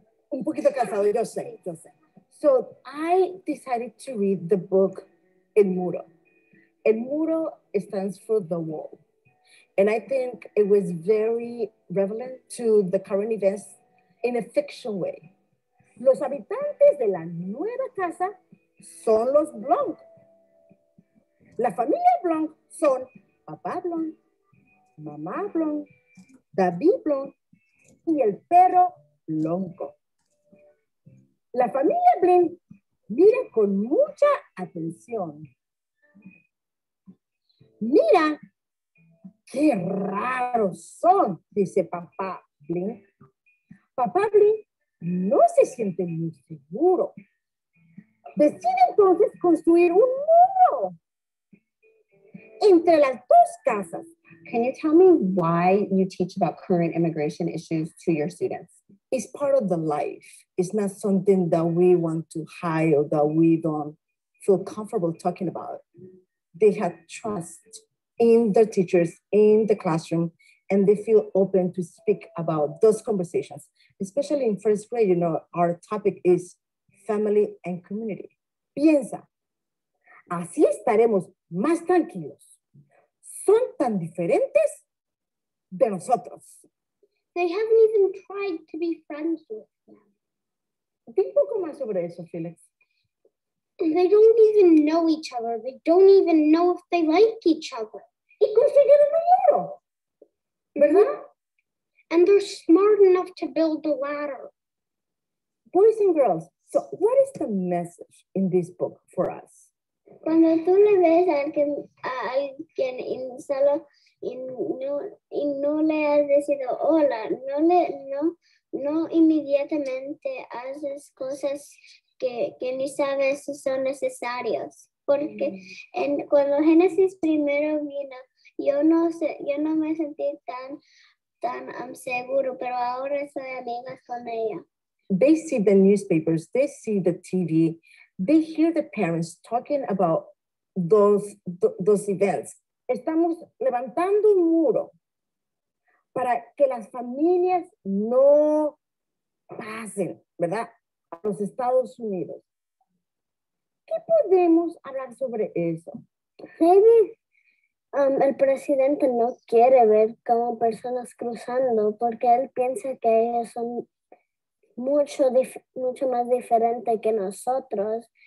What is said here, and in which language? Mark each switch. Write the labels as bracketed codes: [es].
[es] Un poquito cansado, yo sé. [en] So I decided to read the book El Muro. El Muro stands for the wall. And I think it was very relevant to the current events in a fiction way. [es] Los habitantes de la nueva casa son los Blanc. La familia Blanc son papá Blanc, mamá Blanc, David Blanc y el perro Blanco. La familia Blanc mira con mucha atención. Mira, qué raros son, dice papá Blanc. Papá Blanc no se siente muy seguro. Decide entonces construir un muro entre las dos casas. [en] Can you tell me why you teach about current immigration issues to your students? It's part of the life. It's not something that we want to hide or that we don't feel comfortable talking about. They have trust in the teachers, in the classroom, and they feel open to speak about those conversations. Especially in first grade, you know, our topic is family and community. [es] Piensa, así estaremos más tranquilos. Son tan diferentes de nosotros. [en] They haven't even tried to be friends with them. [es] Di un poco más sobre eso, Felix. [en] They don't even know each other. They don't even know if they like each other. [es] Y construyeron un muro, ¿verdad? Mm-hmm. [en] And they're smart enough to build the ladder. Boys and girls, so what is the message in this book for us? [es] Cuando tú le ves a alguien en solo y no le has decido hola, no inmediatamente haces cosas que ni sabes si son necesarias. Porque cuando Génesis primero vino, yo no me sentí tan seguro, pero ahora soy amiga con ella. [en] They see the newspapers, they see the TV. They hear the parents talking about those events. [es] Estamos levantando un muro para que las familias no pasen, ¿verdad? A los Estados Unidos. ¿Qué podemos hablar sobre eso? Maybe el presidente no quiere ver cómo personas cruzando porque él piensa que ellos son mucho más diferente que nosotros.